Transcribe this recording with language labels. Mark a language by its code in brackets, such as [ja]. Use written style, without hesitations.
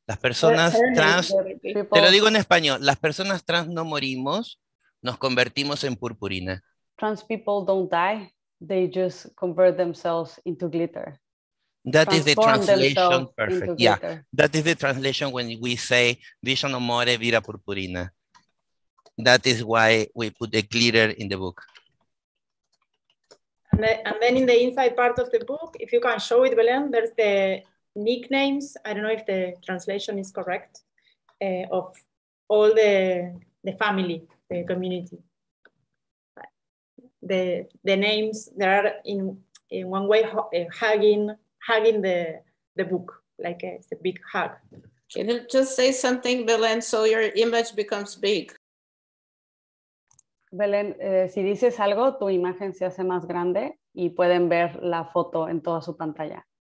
[es] Las personas trans, te lo digo en español, las personas trans no morimos, nos convertimos en purpurina. [en] Trans people don't die, they just convert themselves into glitter. That is the translation, perfect. Yeah, that is the translation when we say Vision no more, vira purpurina. That is why we put the glitter in the book. And then in the inside part of the book, if you can show it, Belén, there's the nicknames. I don't know if the translation is correct, of all the family, the community. The names, there are in one way hugging the book, like it's a big hug. Can you just say something, Belén, so your image becomes big? [es] Belén, si dices algo, tu imagen se hace más grande y pueden ver la foto en toda su pantalla.